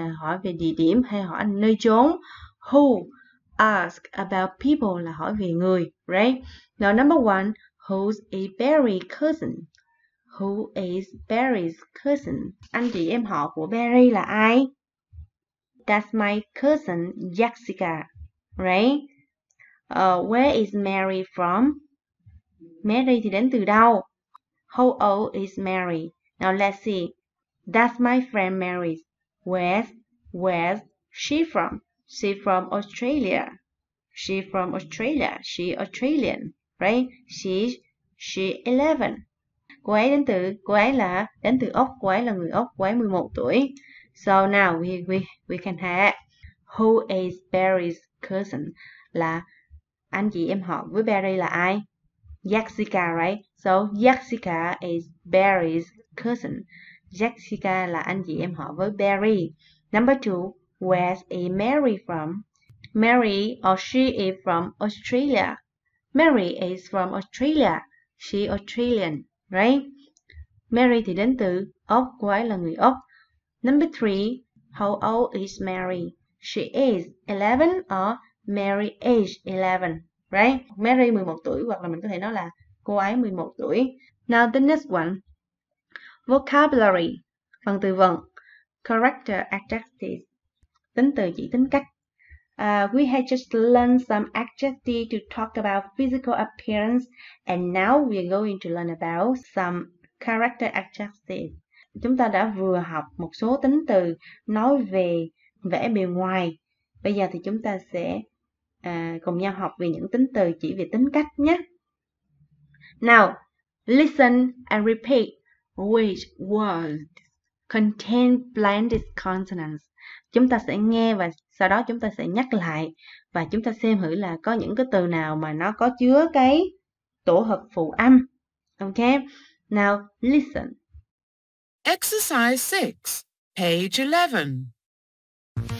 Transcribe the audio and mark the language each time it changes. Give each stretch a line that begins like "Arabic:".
Vietnamese: Hỏi về địa điểm hay hỏi nơi chốn.
English: Who? Ask about people,
Vietnamese: là hỏi về người. Right?
English: Now number 1, who's a Barry's cousin? Who is Barry's cousin?
Vietnamese: Anh chị em họ của Barry là ai?
English: That's my cousin, Jessica, right? Where is Mary from?
Vietnamese: Mary thì đến từ đâu?
English: How old is Mary? Now let's see. That's my friend Mary. Where's she from? She from Australia. She from Australia. She Australian, right? She 11.
Vietnamese: Cô ấy đến từ, cô ấy là đến từ Úc, cô ấy là người Úc, cô ấy 11 tuổi.
English: So now we can have who is Barry's cousin?
Vietnamese: Là anh chị em họ với Barry là ai? Jessica, right?
English: So Jessica is Barry's cousin.
Vietnamese: Jessica là anh chị em họ với Barry.
English: Number two, where's a Mary from? Mary or she is from Australia. Mary is from Australia. She Australian, right?
Vietnamese: Mary thì đến từ Úc, cô ấy là người Úc.
English: Number three, how old is Mary? She is 11 or Mary is 11, right?
Vietnamese: Mary 11 tuổi, hoặc là mình có thể nói là cô ấy 11 tuổi.
English: Now the next one, vocabulary,
Vietnamese: phần từ vựng.
English: Character adjectives,
Vietnamese: tính từ chỉ tính cách.
English: We had just learned some adjectives to talk about physical appearance, and now we are going to learn about some character adjectives.
Vietnamese: Chúng ta đã vừa học một số tính từ nói về vẻ bề ngoài. Bây giờ thì chúng ta sẽ cùng nhau học về những tính từ chỉ về tính cách nhé.
English: Now, listen and repeat which words contain blended consonants.
Vietnamese: Chúng ta sẽ nghe và sau đó chúng ta sẽ nhắc lại và chúng ta xem thử là có những cái từ nào mà nó có chứa cái tổ hợp phụ âm.
English: Ok, now listen. Exercise 6, page 11.